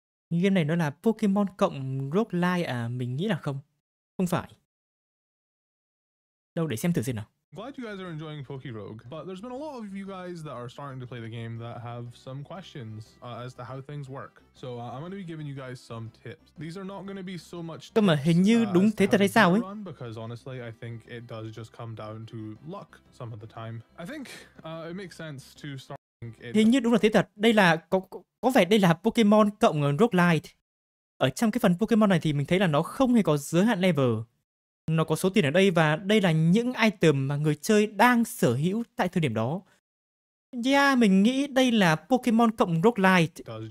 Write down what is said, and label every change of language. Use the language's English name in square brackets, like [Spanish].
[Vietnamese] Game này nó là Pokemon cộng roguelike à? Mình nghĩ là không. Không phải. Đâu, để xem thử xem nào. [English] Glad you guys are enjoying PokéRogue, but there's been a lot of you guys that are starting to play the game that have some questions as to how things work. So I'm going to be giving you guys some tips. These are not going to be so much tips. [Vietnamese] Cơ mà hình như đúng thế thật hay sao ấy? [English] Because honestly, I think it does just come down to luck some of the time. I think it makes sense to start. [Vietnamese] Hình như đúng là thế thật. Đây là có vẻ đây là Pokemon cộng roguelite. Ở trong cái phần Pokemon này thì mình thấy là nó không hề có giới hạn level. Nó có số tiền ở đây và đây là những item mà người chơi đang sở hữu tại thời điểm đó. Yeah, mình nghĩ đây là Pokemon cộng roguelite.